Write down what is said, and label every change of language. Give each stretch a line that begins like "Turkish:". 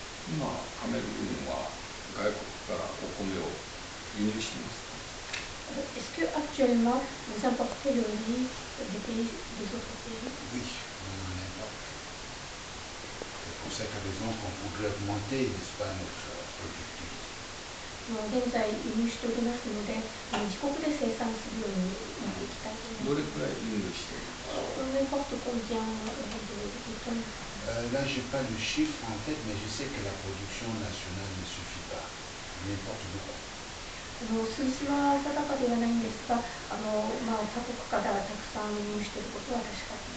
Japanese: 今、カメルーンは外国からお米を輸入しています。
French: Est-ce que actuellement vous importez le riz des pays des autres pays? Oui, on en importe. C'est pour cette raison qu'on voudrait augmenter, n'est-ce pas, notre productivité.
Japanese: 現在輸入しておりますので、自国で生産するようにしていきたい。どれくらい輸入しているんですか？
French: Là, je n'ai pas de chiffre en tête, mais je sais que la production nationale ne suffit pas. Il importe beaucoup. Le Suisse n'est pas très bien, mais il y a beaucoup de choses qui sont en train de se faire.